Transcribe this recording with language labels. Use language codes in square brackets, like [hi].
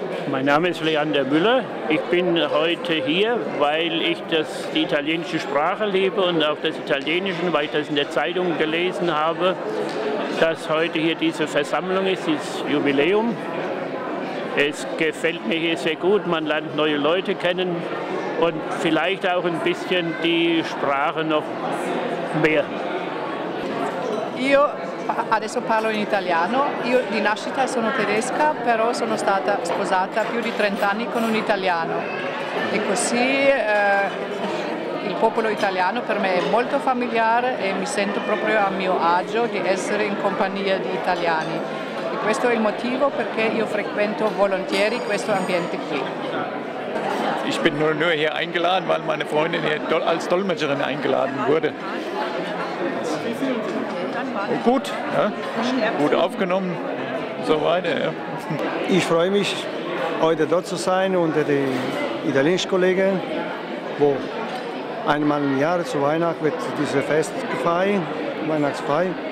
[de] Mein Name ist Leander Müller. Ich bin heute hier, weil ich die italienische Sprache liebe und auch das Italienische, weil ich das in der Zeitung gelesen habe, dass heute hier diese Versammlung ist, dieses Jubiläum. Es gefällt mir hier sehr gut, man lernt neue Leute kennen und vielleicht auch ein bisschen die Sprache noch mehr. [it] Io adesso parlo in italiano. Io di nascita sono tedesca, però sono stata sposata più di 30 anni con un italiano. E così il popolo italiano per me è molto familiare e mi sento proprio a mio agio di essere in compagnia di italiani. Questo è il motivo perché io frequento volentieri questo ambiente qui. [de] Ich bin nur hier eingeladen, weil meine Freundin hier als Dolmetscherin eingeladen wurde. Gut, ja. Gut aufgenommen, so weiter. Ja. Ich freue mich, heute dort zu sein unter den italienischen Kollegen, wo einmal im Jahr zu Weihnachten wird dieses Fest gefeiert, Weihnachtsfeier.